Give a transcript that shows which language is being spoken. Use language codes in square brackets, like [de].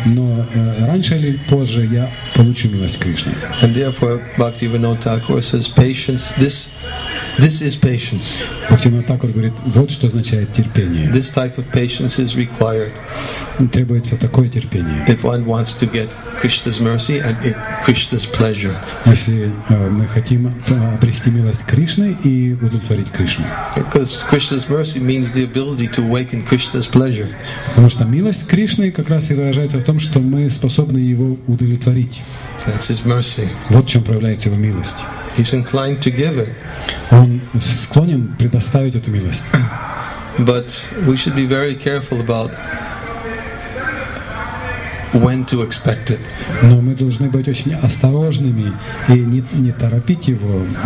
[ru] Но раньше или позже я получу милость Кришны. [en] And therefore, Bhaktivinoda Thakur says, patience. This is patience. [ru] Бхактивинода Такур говорит, вот что означает терпение. [en] This type of patience is required. [ru] Требуется такое терпение. [en] If one wants to get Krishna's mercy and Krishna's pleasure. [ru] Если мы хотим обрести милость Кришны и удовлетворить Кришну. [en] Because Krishna's mercy means the ability to awaken Krishna's pleasure. [ru] Потому что милость Кришны как раз и выражается в том, что мы способны его удовлетворить. [en] That's his mercy. [ru] Вот в чем проявляется его милость. [en] He's inclined to give it. [ru] Он склонен предоставить эту милость. [en] But we should be very careful about when to expect it. [ru] Но мы должны быть очень осторожными и не торопить его.